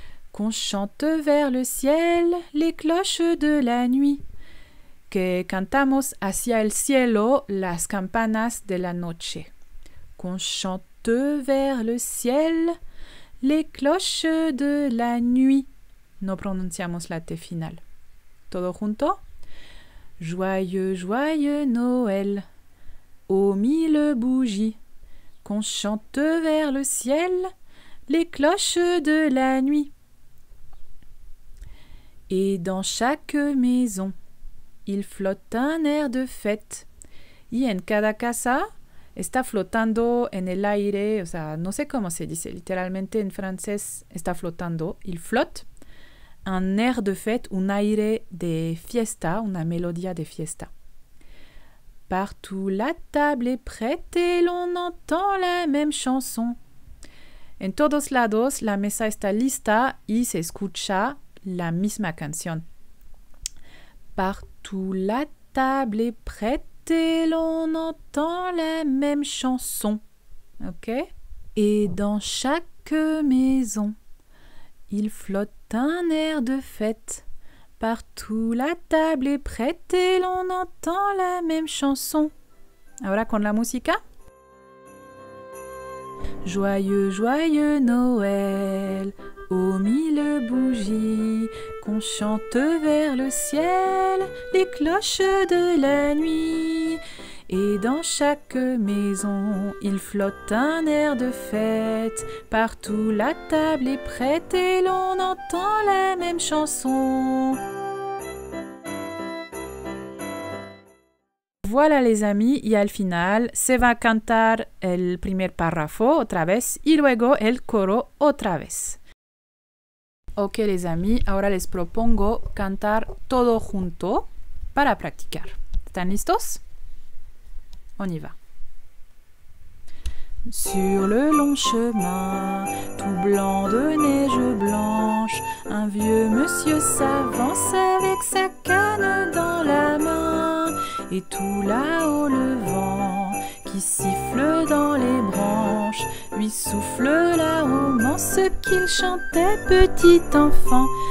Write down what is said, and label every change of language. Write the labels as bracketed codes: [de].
[fr] Qu'on chante vers le ciel les cloches de la nuit. [es] Que cantamos hacia el cielo las campanas de la noche. [fr] Qu'on chante vers le ciel les cloches de la nuit. [es] No pronunciamos la T final. Todo junto. [fr] Joyeux, joyeux Noël, aux mille bougies. Qu'on chante vers le ciel les cloches de la nuit. Et dans chaque maison, Il flotte un air de fête. [es] Y en cada casa está flotando en el aire. O sea, no sé cómo se dice literalmente en francés. Está flotando. [fr] Il flotte un air de fête, [es] un aire de fiesta, una melodía de fiesta. [fr] Partout la table est prête et l'on entend la même chanson. [es] En todos lados la mesa está lista y se escucha la misma canción. [fr] Partout la table est prête et l'on entend la même chanson. Ok? Et dans chaque maison, il flotte un air de fête. Partout la table est prête et l'on entend la même chanson. [es] Ahora con la música. [fr] Joyeux, joyeux Noël, aux mille bougies, qu'on chante vers le ciel les cloches de la nuit. Et dans chaque maison, il flotte un air de fête. Partout la table est prête et l'on entend la même chanson. Voilà les amis, [es] y al final se va a cantar el primer párrafo otra vez y luego el coro otra vez. [fr] Ok les amis, [es] ahora les propongo cantar todo junto para practicar. ¿Están listos? [fr] On y va. Sur le long chemin, tout blanc de neige blanche, un vieux monsieur s'avance avec sa canne dans la main. Et tout là-haut, le vent qui siffle dans les branches lui souffle la romance qu'il chantait petit enfant.